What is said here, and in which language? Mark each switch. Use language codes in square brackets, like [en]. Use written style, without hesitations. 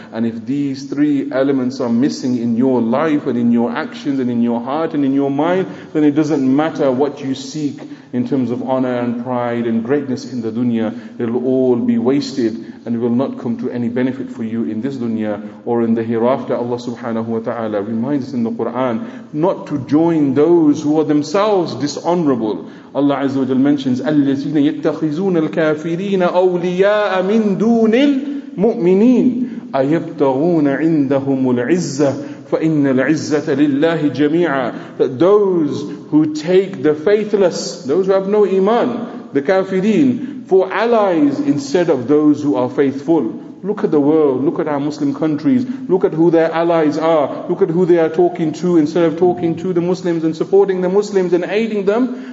[en] And if these three elements are missing in your life and in your actions and in your heart and in your mind, then it doesn't matter what you seek in terms of honor and pride and greatness in the dunya. It'll all be wasted and it will not come to any benefit for you in this dunya or in the hereafter. Allah subhanahu wa ta'ala reminds us in the Quran not to join those who are themselves dishonorable. [ar] Allah Azza wa Jalla mentions, الَّذِينَ يَتَّخِذُونَ الْكَافِرِينَ أَوْلِيَاءَ مِنْ دُونِ الْمُؤْمِنِينَ أَيَبْتَغُونَ عِنْدَهُمُ الْعِزَّةِ فَإِنَّ الْعِزَّةَ لِلَّهِ جَمِيعًا. [en] That those who take the faithless, those who have no iman, the kafirin, for allies instead of those who are faithful. Look at the world, look at our Muslim countries, look at who their allies are, look at who they are talking to instead of talking to the Muslims and supporting the Muslims and aiding them.